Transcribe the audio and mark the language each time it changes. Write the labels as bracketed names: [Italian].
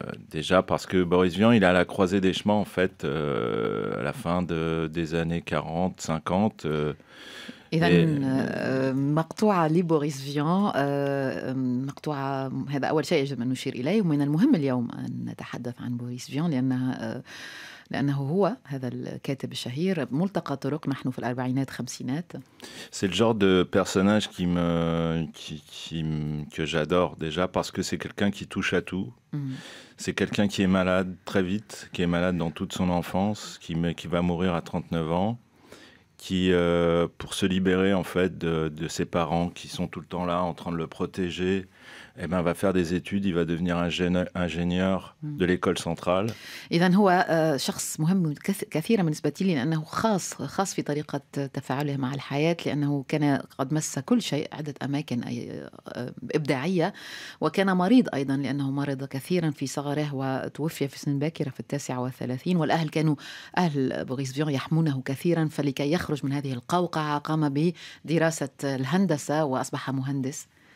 [French] Déjà, parce que Boris Vian, il est à la croisée des chemins, en fait, à la fin des années 40, 50. [Arabic] مقطوعة لبوريس فيان مقطوعة هذا أول شيء يجب أن نشير إليه ومن المهم اليوم أن نتحدث عن بوريس فيان لأنه هو هذا الكاتب الشهير ملتقى طرق نحن في الأربعينات خمسينات. [French] C'est le genre de personnage que j'adore déjà parce que c'est quelqu'un qui touche à tout. C'est quelqu'un qui est malade très vite, qui est malade dans toute son enfance, qui va mourir à 39 ans. Qui pour se libérer en fait de ses parents qui sont tout le temps là en train de le protéger, eh ben va faire des études, il va devenir ingénieur de l'école centrale. Et donc, [Arabic] هو شخص مهم كثيرا بالنسبه لي لانه خاص في طريقه تفاعله مع الحياه لانه كان قد مس كل شيء عده اماكن ابداعيه وكان مريض ايضا لانه مرض كثيرا في صغره وتوفي في سن باكره في 39 والاهل كانوا اهل بوريس فيون يحمونه كثيرا فلكي يخرج من هذه القوقعه قام بدراسه الهندسه واصبح مهندس.